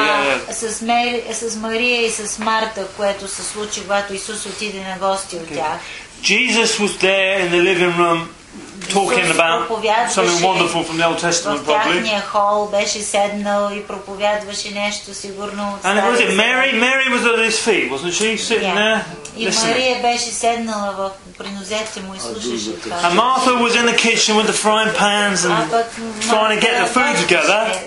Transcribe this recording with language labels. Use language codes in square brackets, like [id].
[en] Yeah. [bg] С Мария и с Марта, което се случи, когато Исус отиде на гости от тях. [en] Jesus was there in the living room talking about something wonderful from the Old Testament, probably. [bg] В тяхния хол беше седнал и проповядваше нещо сигурно. [en] And was it Mary? Mary was at his feet, wasn't she? Sitting there. [bg] И Мария беше седнала в принозете му и слушаше това. [en] And Martha was in the kitchen with the frying pans and trying to get the food together.